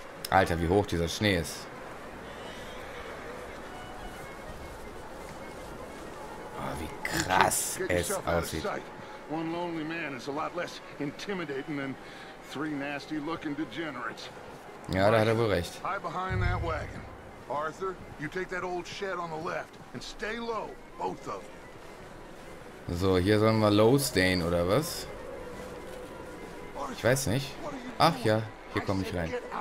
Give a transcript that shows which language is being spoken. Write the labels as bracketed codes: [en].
[de] Alter, wie hoch dieser Schnee ist. Oh, wie krass es aussieht. [en] One lonely man is a lot less intimidating than three nasty looking degenerates. [de] Ja, da hat er wohl recht. [en] Hide behind that wagon. Arthur, you take that old shed on the left and stay low, both of you. [de] So, hier sollen wir low stehen oder was? Ich weiß nicht. Ach ja, hier komme ich rein.